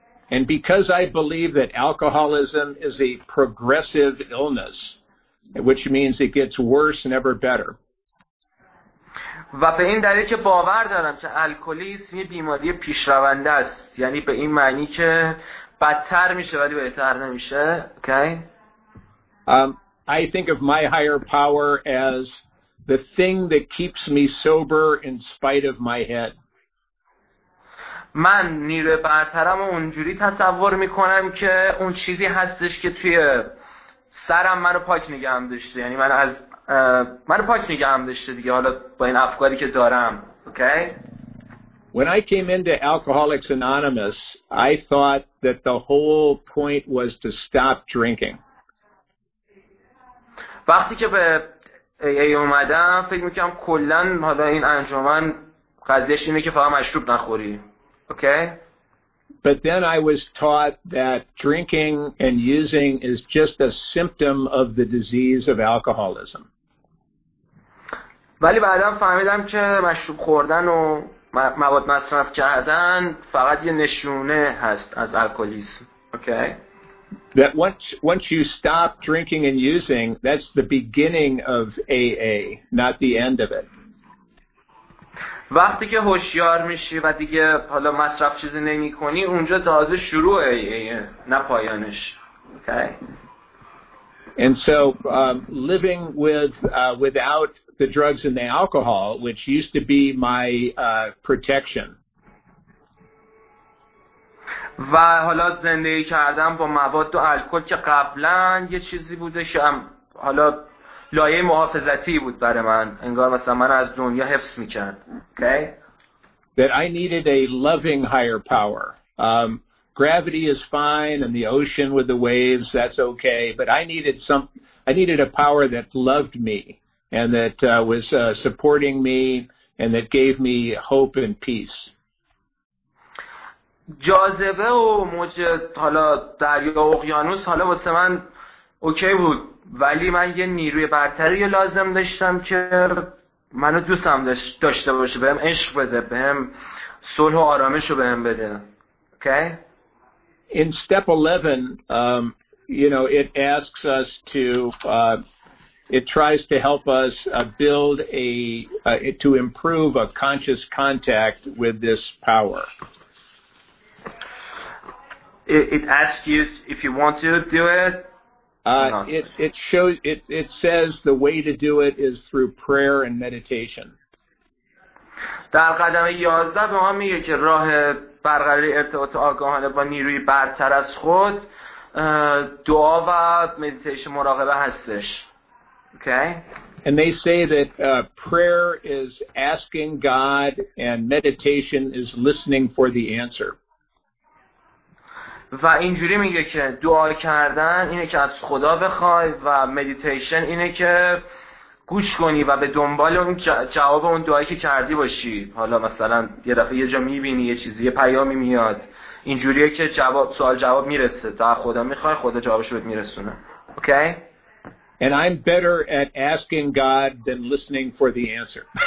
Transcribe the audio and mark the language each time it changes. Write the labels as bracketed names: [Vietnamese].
[English] And because I believe that alcoholism is a progressive illness, which means it gets worse, never better. [Persian] و به این دلیل که باور دارم که الکلیسم یه بیماری پیشرونده است، یعنی به این معنی که بدتر میشه ولی بهتر نمیشه. [English] Okay. I think of my higher power as the thing that keeps me sober in spite of my head. [Persian] من نیروی برترم اونجوری تصور میکنم که اون چیزی هستش که توی سرم منو پاک نگه هم داشته، یعنی من از من پاک نگه هم داشته دیگه حالا با این افکاری که دارم. Okay. [English] When I came into Alcoholics Anonymous, I thought that the whole point was to stop drinking. [Persian] وقتی که به AA اومدم فکر میکنم کلن حالا این انجمن قضیهش اینه که فقط مشروب نخوری. [English] Okay. But then I was taught that drinking and using is just a symptom of the disease of alcoholism. [Persian] ولی بعدا فهمیدم که مشروب خوردن و مواد مصرف کردن فقط یه نشونه هست از الکلیسم. [English] Okay. That once you stop drinking and using, that's the beginning of AA, not the end of it. [Persian] وقتی که هوشیار میشی و دیگه حالا مصرف چیزی نمی کنی اونجا تازه شروع AA نه پایانش. [English] Okay. And so living without the drugs and the alcohol, which used to be my protection. [Persian] و حالا زندگی کردم با مواد و الکل که قبلا یه چیزی بوده که حالا لایه محافظتی بود برای من، انگار مثلا من از دنیا حفظ میکرد. [English] Okay. That I needed a loving higher power. Gravity is fine and the ocean with the waves, that's okay, but I needed a power that loved me and that was supporting me and that gave me hope and peace. [Persian] جاذبه و موج حالا دریا و اقیانوس حالا واسه من اوکی بود، ولی من یه نیروی برتری لازم داشتم که منو دوستم داشته باشه، بهم عشق بده، بهم صلح و آرامش رو بهم بده. [English] Okay. In step 11, it asks us to, it tries to help us build to improve a conscious contact with this power. It asks you if you want to do it. It says the way to do it is through prayer and meditation. [Persian] در قدم 11 به ما میگه که راه برقراری ارتباط آگاهانه با نیروی برتر از خود دعا و مدیتیشن مراقبه هستش. [English] Okay. And they say that prayer is asking God and meditation is listening for the answer. [Persian] و اینجوری میگه که دعا کردن اینه که از خدا بخوای و مدیتیشن اینه که گوش کنی و به دنبال اون جواب اون دعایی که کردی باشی. حالا مثلا یه دفعه یه جا میبینی یه چیزی، یه پیامی میاد، اینجوریه که جواب سوال جواب میرسه، تا خدا میخوای خدا جوابش بهت میرسونه. [English] Okay. And I'm better at asking God than listening for the answer.